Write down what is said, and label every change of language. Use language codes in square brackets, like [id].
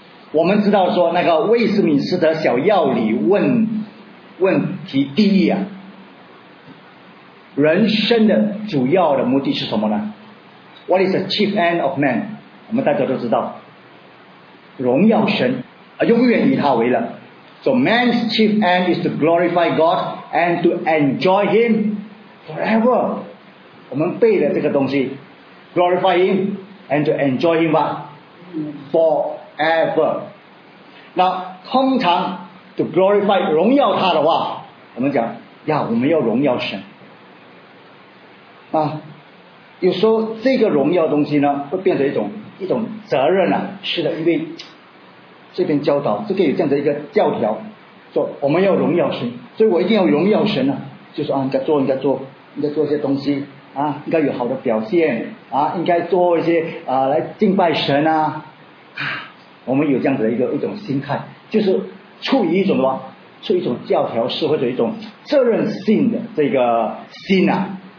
[zh] 我们知道说，那个《威斯敏斯特小要》里问题第一啊，人生的主要的目的是什么呢 ？ [en] What is the chief end of man？ [zh] 我们大家都知道。荣耀神，永远以他为乐。 [en] So man's chief end is to glorify God and to enjoy Him forever. [zh] 我们背了这个东西 ， [en] glorify Him and to enjoy Him forever. [zh] 那通常 to glorify 荣耀他的话，我们讲呀，我们要荣耀神。啊，有时候这个荣耀东西呢，会变成一种责任啊。是的，因为这边教导这个有这样的一个教条，说我们要荣耀神，所以我一定要荣耀神啊，就说啊，应该做一些东西啊，应该有好的表现啊，应该做一些啊来敬拜神啊，我们有这样子的一种心态，就是处于一种教条式或者一种责任性的这个心啊。